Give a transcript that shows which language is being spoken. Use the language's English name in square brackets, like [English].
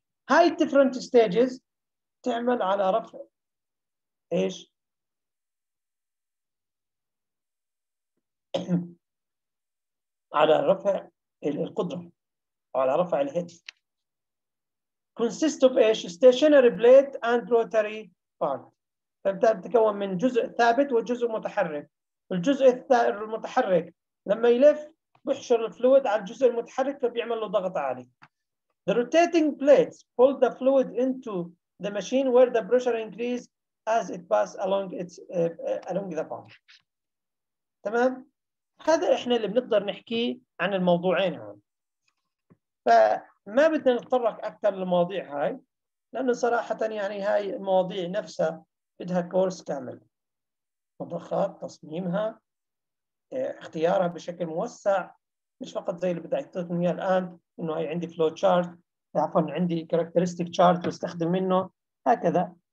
[Arabic] هاي [English] different stages [Arabic] تعمل على رفع ايش؟ على رفع القدرة على رفع الهيد. [English] consist of [Arabic] ايش؟ [English] stationary blade and rotary part. [Arabic] فبتبدأ تتكون من جزء ثابت وجزء متحرك. الجزء المتحرك لما يلف بحشر الفلويد على الجزء المتحرك فبيعمل له ضغط عالي. [English] The rotating blades pull the fluid into the machine where the pressure increases as it passes along its along the pump. [Arabic] تمام؟ هذا احنا اللي بنقدر نحكي عن الموضوعين هون. فما بدنا نتطرق اكثر للمواضيع هاي لأنه صراحة يعني هاي مواضيع نفسها بدها كورس كامل، مضخات تصميمها اختيارها بشكل موسع، مش فقط زي اللي بدي اعطيكم اياه الان انه هي عندي فلو تشارت، عفوا عندي كاركترستيك تشارت واستخدم منه هكذا.